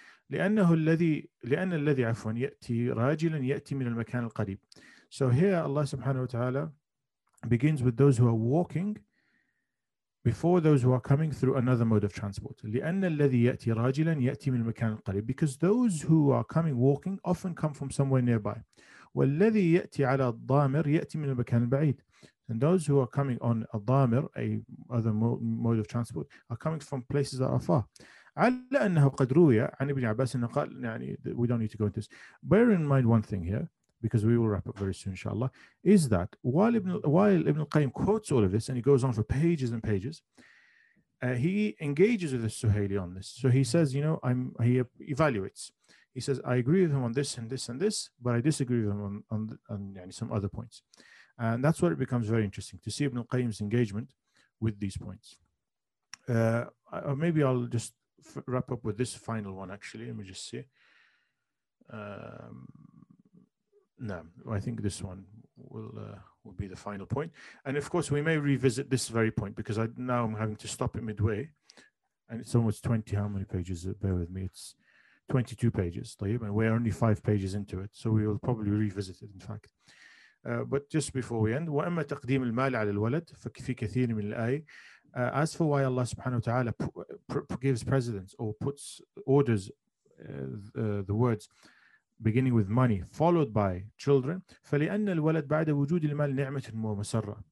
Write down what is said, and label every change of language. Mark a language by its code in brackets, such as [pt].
[ar] لأن الذي عفوا يأتي راجلا يأتي من المكان القريب. [en] So here Allah subhanahu wa ta'ala begins with those who are walking before those who are coming through another mode of transport. [ar] لأن الذي يأتي راجلا يأتي من المكان القريب. [en] Because those who are coming walking often come from somewhere nearby. [ar] والذي يأتي على الضامر يأتي من المكان البعيد. [en] And those who are coming on al-damir, a other mode of transport, are coming from places that are far. [ar] على أنه قد روية عن ابن عباس أنه قال يعني [en] we don't need to go into this. Bear in mind one thing here, because we will wrap up very soon, inshallah, is that while Ibn al-Qayyim quotes all of this and he goes on for pages and pages, he engages with the Suhaili on this. So he says, you know, he evaluates. He says, I agree with him on this and this and this, but I disagree with him on some other points. And that's where it becomes very interesting, to see Ibn al-Qayyim's engagement with these points. Maybe I'll just wrap up with this final one, actually. Let me just see. I think this one will be the final point. And of course, we may revisit this very point, because I'm having to stop it midway. And it's almost 20, how many pages? Bear with me. It's 22 pages, and we're only 5 pages into it. So we will probably revisit it, in fact. But just before we end, [ar] وَأَمَّا تَقْدِيمِ الْمَالِ عَلَى الْوَلَدِ فِي كَثِيرٍ مِنْ الْآيِ. [en] As for why Allah subhanahu wa ta'ala gives precedence or orders the words beginning with money followed by children, [ar] فَلِأَنَّ الْوَلَدْ بَعْدَ وُجُودِ الْمَالِ نِعْمَةٍ وَمَسَرَّةٍ.